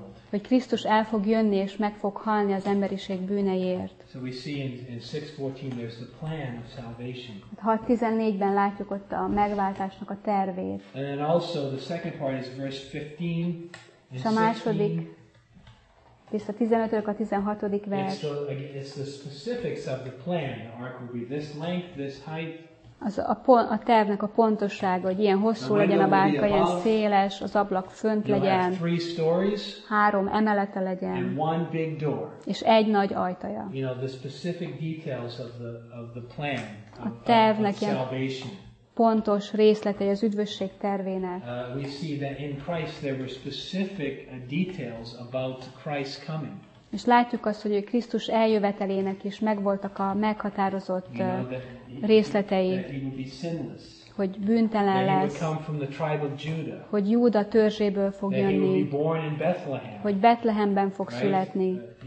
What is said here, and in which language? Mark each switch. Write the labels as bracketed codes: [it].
[hu] Hogy Krisztus el fog jönni és meg fog halni az emberiség bűneiért. [en] So we see in 6:14 there's the plan of salvation. [hu] 6:14-ben látjuk ott a megváltásnak a tervét. [en] And then also the second part is verse 15. [hu] És a második. És a 15. a 16. vers. [en] It's the specifics of the plan. The ark will be this length, this height. [hu] Az a tervnek a pontossága, hogy ilyen hosszú legyen a bárka, ilyen széles, az ablak fönt legyen. [en] Three stories. [hu] Három emelete legyen. [en] And one big door. [hu] És egy nagy ajtaja. [en] You know, the specific details of the plan. [hu] A tervnek ilyen salvation. Pontos részletei az üdvösség tervének. [en] We see that in Christ there were specific details about Christ coming. [hu] És látjuk azt, hogy Krisztus eljövetelének is megvoltak a meghatározott részletei, hogy bűntelen lesz, hogy Júda törzséből fog jönni, hogy Betlehemben fog születni.